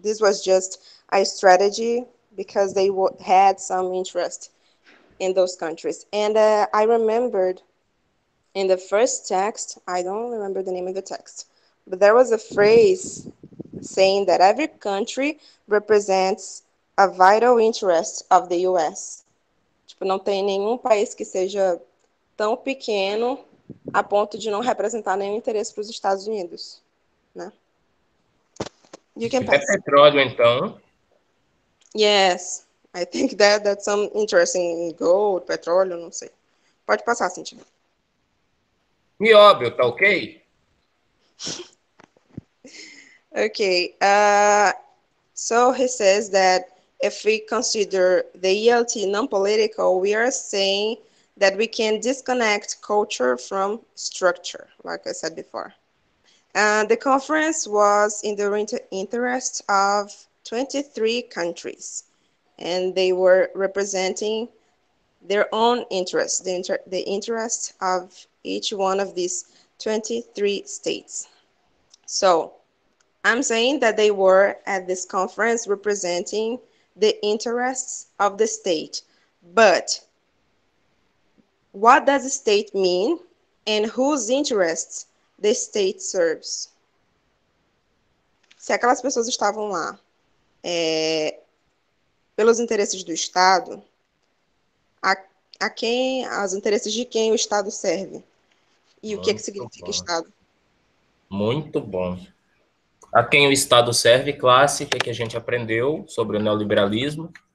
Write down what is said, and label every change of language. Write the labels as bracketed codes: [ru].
[en] This was just a strategy because they had some interest in those countries. And I remembered in the first text, I don't remember the name of the text, but there was a phrase saying that every country represents a vital interest of the US. [pt] Tipo, não tem nenhum país que seja tão pequeno a ponto de não representar nenhum interesse para os Estados Unidos, né? [en] You can pass. [pt] É petróleo, então? [en] Yes, I think that's some interesting gold, [pt] petróleo, não sei. Pode passar, Cintia. Me óbvio, tá ok? [en] Ok. So he says that if we consider the ELT non-political, we are saying that we can disconnect culture from structure, like I said before. The conference was in the interest of 23 countries, and they were representing their own interests, the interest of each one of these 23 states. So I'm saying that they were at this conference representing the interests of the state, but what does the state mean, and whose interests the state serves? [pt] Se aquelas pessoas estavam lá pelos interesses do Estado, a quem, aos interesses de quem o Estado serve? E o que significa Estado? Muito bom. A quem o Estado serve, classe, que a gente aprendeu sobre o neoliberalismo.